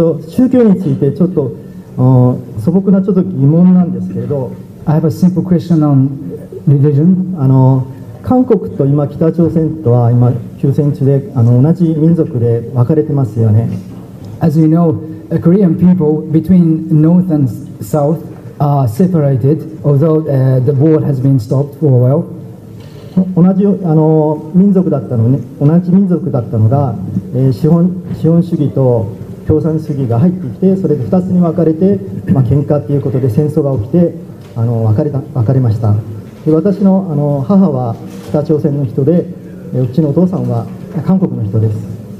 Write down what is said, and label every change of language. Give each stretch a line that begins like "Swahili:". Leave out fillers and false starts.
Japanese: 宗教についてちょっと素朴なちょっと疑問なんですけれど、
English: I have a simple question on religion.
Japanese: 韓国と今北朝鮮とは今休戦中で同じ民族で分かれてますよね。
English: As you know, Korean people between North and South are separated, although the war has been stopped for a while.
Japanese: 同じ民族だったのね、同じ民族だったのが、資本主義と共産主義が入ってきて、それで2つに分かれて、喧嘩ということで戦争が起きて分かれました。で、私の母は北朝鮮の人で、うちのお父さんは韓国の人です。